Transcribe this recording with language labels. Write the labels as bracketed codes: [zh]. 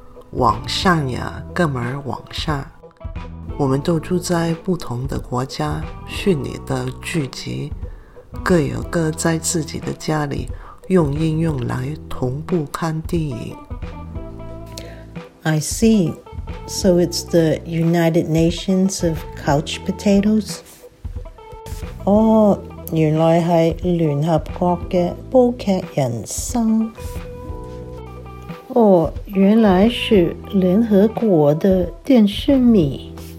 [zh] 网上呀，哥们儿，网上，我们都住在不同的国家，虚拟的聚集，各有各在自己的家里用应用来同步看电影。 [en] I see. So it's the United Nations of Couch Potatoes? [zh] Oh, 原来是联合国的煲剧人生。 Oh, 原来是联合国的电视迷。